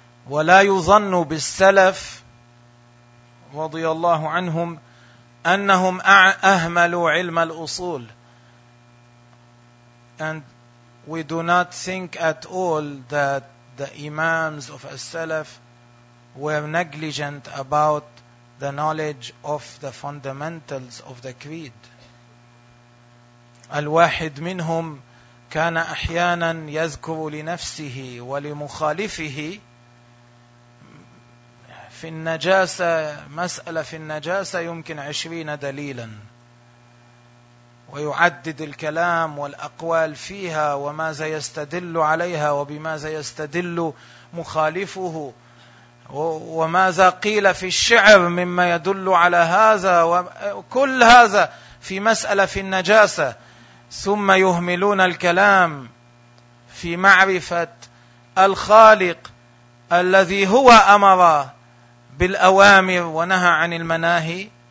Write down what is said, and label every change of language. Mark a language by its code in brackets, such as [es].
[ar] ولا يظن بالسلف رضي الله عنهم أنهم أهملوا علم الأصول. [en] And we do not think at all that the Imams of As-Salaf were negligent about the knowledge of the fundamentals of the creed. [ar] الواحد منهم كان أحيانا يذكر لنفسه ولمخالفه في النجاسة مسألة في النجاسة يمكن 20 دليلا ويعدد الكلام والأقوال فيها وماذا يستدل عليها وبماذا يستدل مخالفه وماذا قيل في الشعر مما يدل على هذا وكل هذا في مسألة في النجاسة ثم يهملون الكلام في معرفة الخالق الذي هو أمر بالأوامر ونهى عن المناهي.